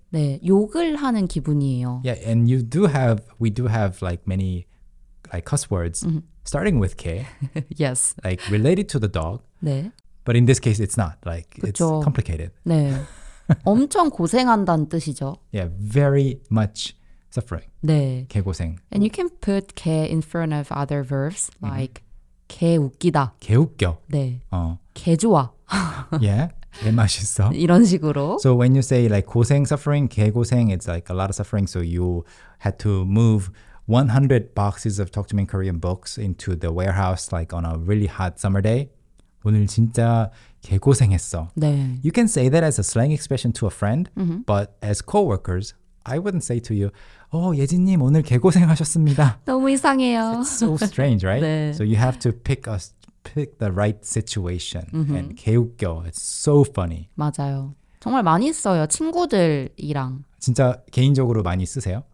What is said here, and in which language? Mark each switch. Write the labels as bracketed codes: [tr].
[ko] 네, 욕을 하는 기분이에요. [en] Yeah, and you do have, we do have like many like cuss words mm-hmm. starting with 개. Yes. Like related to the dog. [ko] 네. [en] But in this case, it's not. Like [ko] 그쵸. [en] It's complicated. [ko] 네. 엄청 고생한다는 뜻이죠. [en] Yeah, very much suffering. [ko] 네. 개고생. [en] And you can put 개 in front of other verbs like mm-hmm. [ko] 개 웃기다. 개 웃겨. 네. 개 좋아. [en] Yeah, [ko] 개 맛있어. 이런 식으로. [en] So when you say like 고생, suffering, 개고생, it's like a lot of suffering. So you had to move 100 boxes of Talk to Me in Korean books into the warehouse like on a really hot summer day. [ko] 오늘 진짜 개고생했어. 네. [en] You can say that as a slang expression to a friend, mm-hmm. but as co-workers, I wouldn't say to you, oh, [ko] 예진님 오늘 개고생하셨습니다. 너무 이상해요. [en] It's so strange, right? [ko] 네. [en] So you have to pick the right situation. Mm-hmm. And 개웃겨, it's so funny. [ko] 맞아요. 정말 많이 써요, 친구들이랑. 진짜 개인적으로 많이 쓰세요?